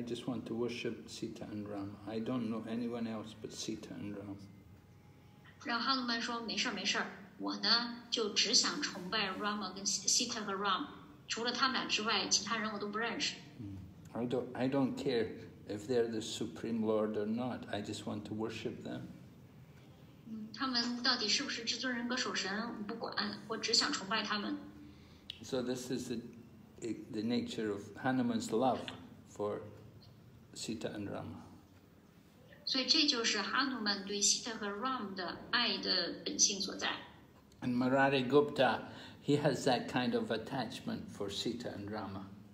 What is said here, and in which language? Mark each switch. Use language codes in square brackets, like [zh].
[en] I just want to worship Sita and Rama. I don't know anyone else but Sita and Rama." [zh] 然后 Hanuman 说，没事儿，没事儿，我呢就只想崇拜 Rama 跟 Sita 和 Ram， 除了他们俩之外，其他人我都不认识。 [en] I don't care if they're the Supreme Lord or not. I just want to worship them. [zh] 他们到底是不是至尊人格守神，我不管，我只想崇拜他们。 [en] So this is the nature of Hanuman's love for Sita and Rama. [zh] 所以这就是 Hanuman 对 Sita 和 Ram 的爱的本性所在。 [en] And Murari Gupta, he has that kind of attachment for Sita and Rama.